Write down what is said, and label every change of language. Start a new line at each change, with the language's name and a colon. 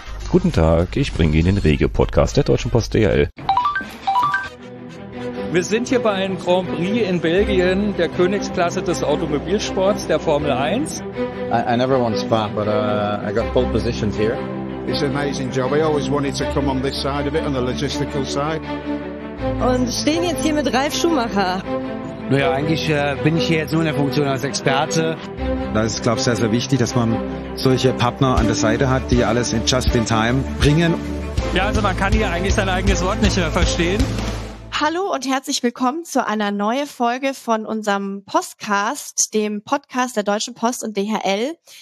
German: Guten Tag, ich bringe Ihnen den Regio-Podcast der Deutschen Post DHL. Wir sind hier bei einem Grand Prix in Belgien, der Königsklasse des Automobilsports, der Formel 1.
English: I never want spa, but I got pole positions here. It's an amazing job. I always wanted to come on this side of it, on the logistical side.
German: Und stehen jetzt hier mit Ralf Schumacher. Naja, eigentlich bin ich hier jetzt nur in der Funktion als Experte. Da ist es, glaube ich, sehr, sehr wichtig, dass man solche Partner an der Seite hat, die alles in just in time bringen. Ja, also man kann hier eigentlich sein eigenes Wort nicht mehr verstehen. Hallo und herzlich willkommen zu einer neuen Folge von unserem Postcast, dem Podcast der Deutschen Post und DHL.